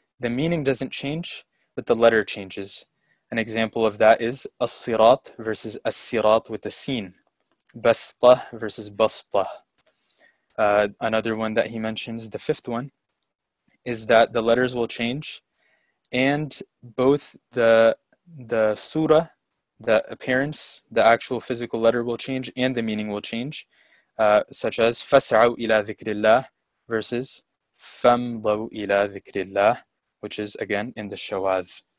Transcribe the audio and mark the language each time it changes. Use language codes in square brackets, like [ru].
[en] The meaning doesn't change, but the letter changes. An example of that is الصراط versus السراط with the سين. [ar] بسطة versus بسطة. [en] Another one that he mentions, the fifth one, is that the letters will change, and both the surah, the appearance, the actual physical letter will change, and the meaning will change, such as [ar] فسعوا إلى ذكر الله [en] versus [ar] فَمْضَوْا إِلَىٰ ذِكْرِ اللَّهِ, [en] which is, again, in the Shawadh.